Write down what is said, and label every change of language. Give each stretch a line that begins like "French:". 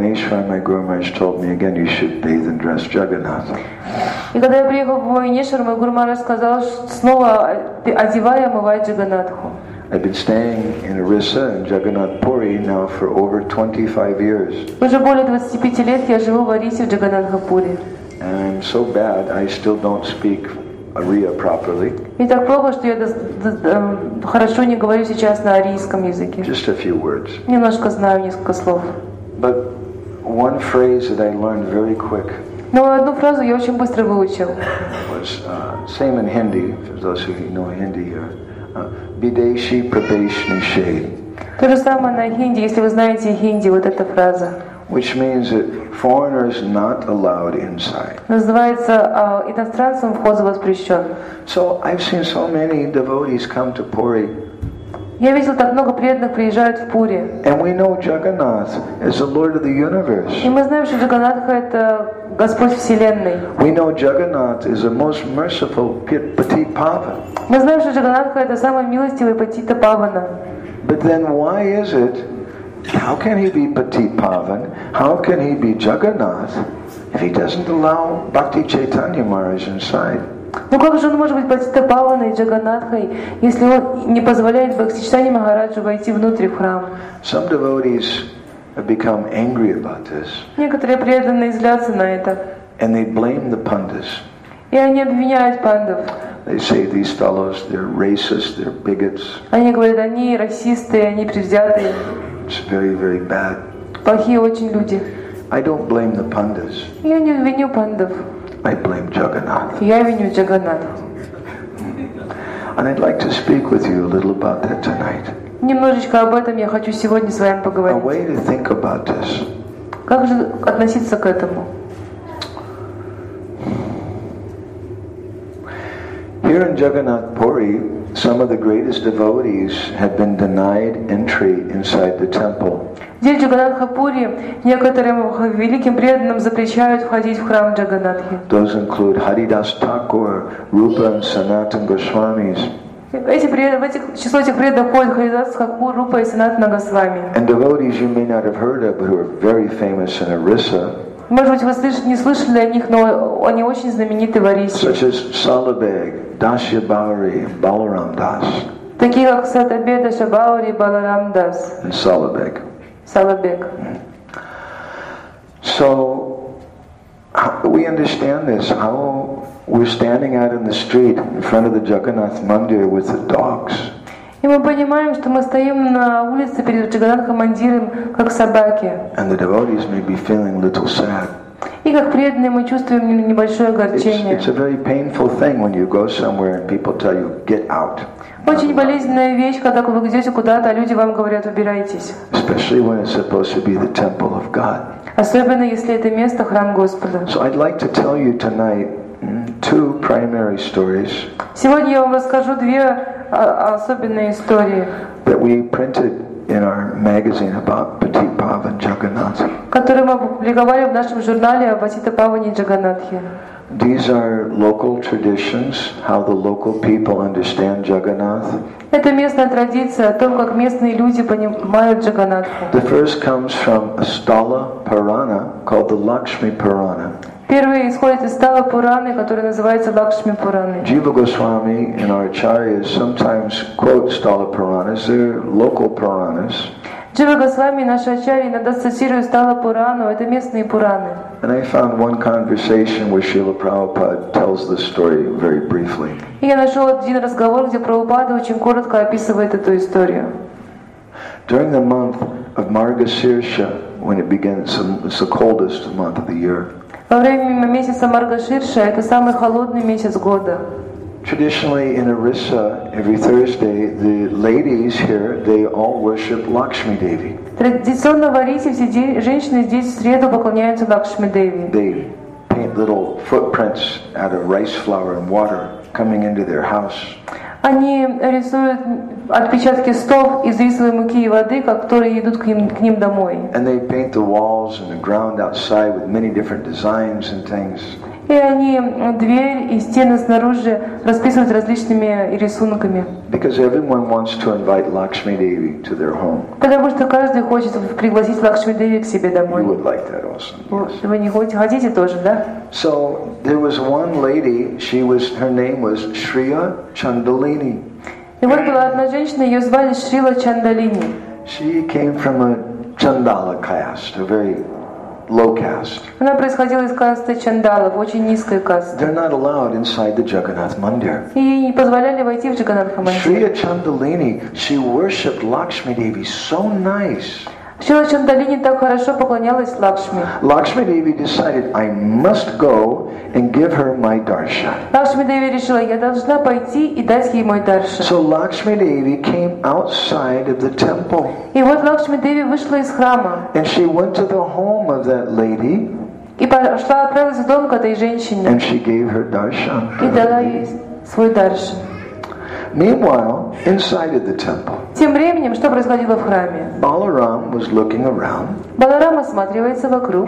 English: Ishvara, my Guru Maharaj told me again, you should bathe and dress Jagannatha.
Russian: И когда я приехал в Майнишвар, мой Гуру Махарадж сказал, снова одевай и омывай Джаганатху.
English: I've been staying in Orissa and Jagannath Puri now for over 25 years.
Russian: Уже более 25 лет я живу в Орисе в Джаганатхапуре.
English: And I'm so bad, I still don't speak Ория properly.
Russian: И так плохо, что я хорошо не говорю сейчас на арийском языке.
English: Just a few words.
Russian: Немножко знаю несколько слов.
English: But one phrase that I learned very quick.
Russian: Но одну фразу я очень быстро выучил.
English: Was same in Hindi for those who know Hindi here.
Hindi: Bideshi Pradesh Nished.
Russian: То же самое на хинди, если вы знаете хинди, вот эта фраза.
English: Which means that foreigners not allowed inside.
Russian: Называется иностранцам вход воспрещен.
English: So I've seen so many devotees come to Puri.
Russian: Я видел так много преданных приезжают в Пури.
English: And we know Jagannath is the Lord of the universe.
Russian: И мы знаем, что Джаганнатха это Господь Вселенной.
English: We know Jagannath is the most merciful Patipavana.
Russian: Мы знаем, что Джаганнатха это самый милостивый Патитапавана.
English: But then why is it? How can he be Patipavan? How can he be Jagannath if he doesn't allow Bhakti Chaitanya Maharaj inside?
Russian: Ну как же он может быть Патитапаваной и Джаганнатхой, если он не позволяет Бхакти Чайтанья Махараджу войти внутрь храма?
English: Some devotees have become angry about this.
Russian: Некоторые преданные злятся на это.
English: And they blame the pandas.
Russian: И они обвиняют пандов.
English: They say these fellows, they're racist, they're bigots.
Russian: Они говорят, они расисты, они предвзятые.
English: It's very, very bad.
Russian: Плохие очень люди.
English: I don't blame the pandas.
Russian: Я не виню пандов.
English: I blame Jagannath.
Russian: Я виню Джаганнатху.
English: And I'd like to speak with you a little about that tonight.
Russian: Немножечко об этом я хочу сегодня с вами поговорить.
English: A way to think about this.
Russian: Как же относиться к этому?
English: Here in Jagannath Puri, some of the greatest devotees had been denied entry inside the temple.
Russian: Здесь, в Джаганатхапуре, некоторым великим преданным запрещают входить в храм Джаганатхи.
English: Those include Haridas Thakur, Rupa and Sanatana Goswamis.
Russian: В эти число этих преданных входят Харидас Такур, Рупа и Санатана Госвами.
English: And devotees you may not have heard of, but who are very famous in Orissa.
Russian: Может быть, вы не слышали о них, но они очень знамениты в Орисе.
English: Such as Salabeg, Dasya Bauri, Balaram Das.
Russian: Такие как Сатабе, Даша Баури, Баларам Дас.
English: And Salabeg. Salabeg. So, we understand this. How we're standing out in the street in front of the Jagannath Mandir with the dogs.
Russian: И мы понимаем, что мы стоим на улице перед Джаганатхамандиром, как собаки.
English: And the devotees may be feeling a little sad.
Russian: И как преданные мы чувствуем небольшое огорчение.
English: It's a very painful thing when you go somewhere and people tell you, get out.
Russian: Очень болезненная вещь, когда вы идете куда-то, а люди вам говорят, убирайтесь.
English: Especially when it's supposed to be the temple of God.
Russian: Особенно если это место храм Господа.
English: So I'd like to tell you tonight two primary stories.
Russian: Сегодня я вам расскажу две особенные истории.
English: That we printed in our magazine about Patipavan Jagannath.
Russian: Которые мы опубликовали в нашем журнале о Патитапаване Джаганнатхе.
English: These are local traditions, how the local people understand Jagannath.
Russian: Это местная традиция о том, как местные люди понимают Джаганнатху.
English: The first comes from a Stala Purana called the Lakshmi Purana.
Russian: Первый исходит из Стала Пураны, который называется Лакшми Пураны.
English: Jiva Goswami and our acharyas sometimes quote Stala Puranas. They're local Puranas.
Russian: Jiva Goswami, наши ачарьи, иногда цитируют Стала Пурану. Это местные Пураны.
English: And I found one conversation where Srila Prabhupada tells this story very briefly.
Russian: И я нашел один разговор, где Прабхупада очень коротко описывает эту историю.
English: During the month of Margashirsha, when it begins, it's the coldest month of the year.
Russian: Во время месяца Маргаширша это самый холодный месяц года.
English: Traditionally in Orissa, every Thursday, the ladies here, they all worship Lakshmi Devi.
Russian: Традиционно в Орисе все женщины здесь в среду поклоняются Лакшми Деви.
English: They paint little footprints out of rice flour and water coming into their house.
Russian: Они рисуют отпечатки стоп из рисовой муки и воды, которые идут к ним домой.
English: And they paint the walls and the ground outside with many different designs and things.
Russian: И они дверь и стены снаружи расписывают различными рисунками.
English: Because everyone wants to invite Lakshmi Devi to their home.
Russian: Потому что каждый хочет пригласить Лакшми Деви к себе домой.
English: You would like that also. Yes.
Russian: Вы не хотите, хотите тоже, да?
English: So there was one lady. She was, her name was Shriya Chandalini.
Russian: И вот была одна женщина, ее звали Шрила Чандалини.
English: She came from a Chandala caste, a very low caste.
Russian: Она происходила из касты Чандалов, очень низкая каста.
English: They're not allowed inside the Jagannath Mandir.
Russian: И не позволяли войти в Джаганнатх Мандир.
English: Shriya Chandalini, she worshipped Lakshmi Devi so nice.
Russian: Шрила Чандалини так хорошо поклонялась Лакшми.
English: Lakshmi Devi decided, I must go and give her my darshan.
Russian: Лакшми Деви решила, я должна пойти и дать ей мой даршан.
English: So Lakshmi Devi came outside of the temple.
Russian: И вот Лакшми Деви вышла из храма.
English: And she went to the home of that lady.
Russian: И пошла, отправилась в дом к этой женщине.
English: And she gave her darshan.
Russian: И дала ей свой даршан.
English: Meanwhile, inside of the temple,
Russian: тем временем, что происходило в храме,
English: Balaram was looking around.
Russian: Баларам осматривается вокруг.